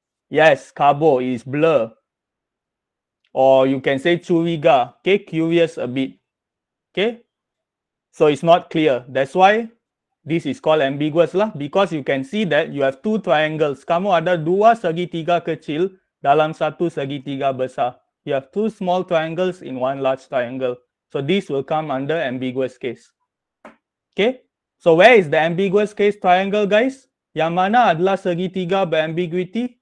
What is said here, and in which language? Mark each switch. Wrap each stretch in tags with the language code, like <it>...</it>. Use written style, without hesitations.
<en>Yes, carbo is blur. Or you can say curiga, okay, curious a bit. Okay? So it's not clear. That's why this is called ambiguous lah. Because you can see that you have two triangles.</en> <ms>Kamu ada dua segitiga kecil dalam satu segitiga besar.</ms> <en>You have two small triangles in one large triangle. So this will come under ambiguous case. Okay? So where is the ambiguous case triangle, guys?</en> <ms>Yang mana adalah segitiga berambiguity?</ms>